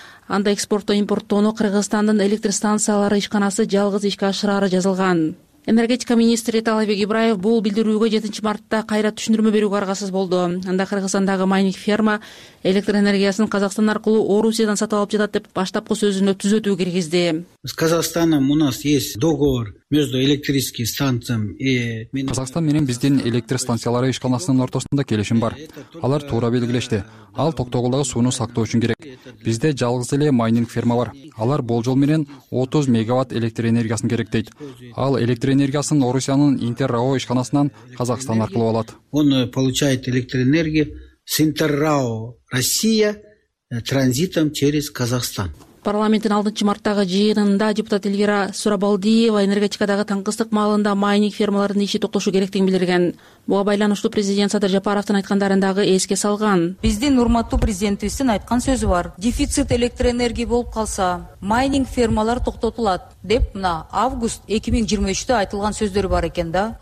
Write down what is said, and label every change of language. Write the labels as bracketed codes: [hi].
[ky] Анда экспортто импорттоону Кыргызстандын электр станциялары ишканасы жалгыз ишке ашырары жазылган. Энергетика министри Талайбек Ибраев бул билдирүүгө 7 мартта кайра түшүндүрмө берүүгө аргасыз болду. Анда Кыргызстандагы майнинг ферма электр энергиясын Казакстан аркылуу Орусиядан сатып алып жатат деп баштапкы сөзүнө түзөтүү киргизди. [ru] С Казахстаном у нас есть договор между электрическими станциями [ky] и Казахстан менен биздин электр станциялары ишканасынын ортосунда келишим бар. Алар туура белгилешти. Ал токтогулдагы сууну сактоо үчүн керек. Бизде жалгыз эле майнинг ферма бар. Алар болжол менен 30 мегаватт электр энергиясын керектейт. Ал электр энергиясын Орусиянын Интеррао ишканасынан Казахстан аркылуу алат. [ru] Он получает электроэнергию с Интеррао Россия транзитом через Казахстан. [ky] Парламенттин 6 марттагы жыйынында депутат Эльвира Сурабалдиева энергетикадагы таңкыстык маалында майнинг фермаларынын иши токтошу керектигин билдирген. Буга байланыштуу президент Садыр Жапаровдун айткандарын дагы эске салган. Биздин урматтуу президентибиздин айткан сөзү бар. Дефицит электр энергия болуп калса, майнинг фермалар токтотулат деп мына август 2023'те айтылган сөздөр бар экен да.